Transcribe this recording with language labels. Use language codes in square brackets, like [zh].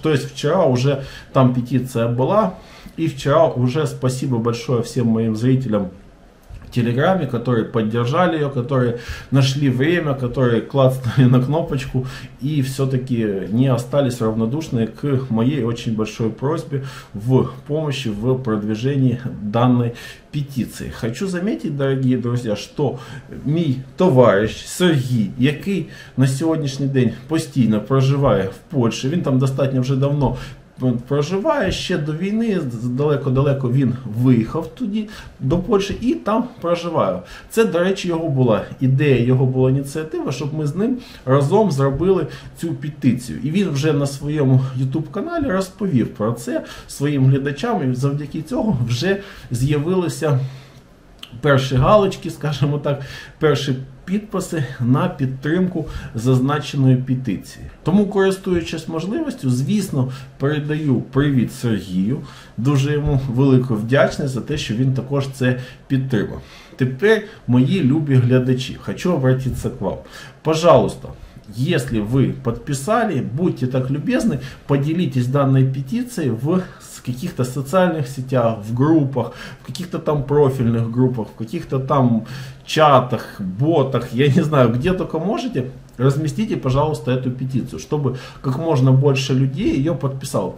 [ru] То есть вчера уже там петиция была, и вчера уже спасибо большое всем моим зрителям телеграме, которые поддержали ее, которые нашли время, которые клацнули на кнопочку и все-таки не остались равнодушны к моей очень большой просьбе в помощи в продвижении данной петиции. Хочу заметить, дорогие друзья, что [uk] мій товариш Сергій, який на сьогоднішній день постійно проживає в Польщі, він там достатньо вже давно проживає, ще до війни, далеко-далеко він виїхав туди, до Польщі, і там проживає. Це, до речі, його була ідея, його була ініціатива, щоб ми з ним разом зробили цю петицію. І він вже на своєму YouTube-каналі розповів про це своїм глядачам, і завдяки цьому вже з'явилися перші галочки, скажімо так, перші підписи на підтримку зазначеної петиції. Тому, користуючись можливістю, звісно, передаю привіт Сергію, дуже йому велику вдячність за те, що він також це підтримав. Тепер, мої любі глядачі, [ru] хочу обратитися к вам. Пожалуйста, если вы подписали, будьте так любезны, поделитесь данной петицией в каких-то социальных сетях, в группах, в каких-то там профильных группах, в каких-то там чатах, ботах, я не знаю, где только можете, разместите, пожалуйста, эту петицию, чтобы как можно больше людей ее подписало.